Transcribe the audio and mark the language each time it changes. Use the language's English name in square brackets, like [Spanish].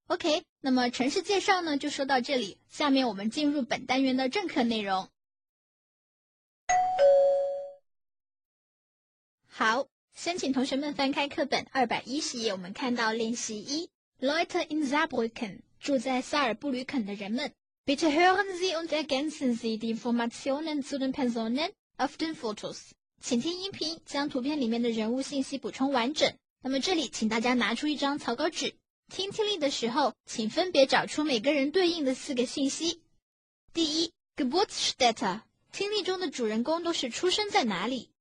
[Chinese] OK， 那么城市介绍呢就说到这里，下面我们进入本单元的正课内容。好，先请同学们翻开课本210页，我们看到练习一 [German] Leute in Saarbrücken， [Chinese] 住在萨尔布吕肯的人们。 [German] Bitte hören Sie und ergänzen Sie die Informationen zu den Personen auf den Fotos。 [Chinese] 请听音频，将图片里面的人物信息补充完整。那么这里请大家拿出一张草稿纸，听听力的时候请分别找出每个人对应的四个信息。第一 Geburtsstätte， 听力中的主人公都是出生在哪里。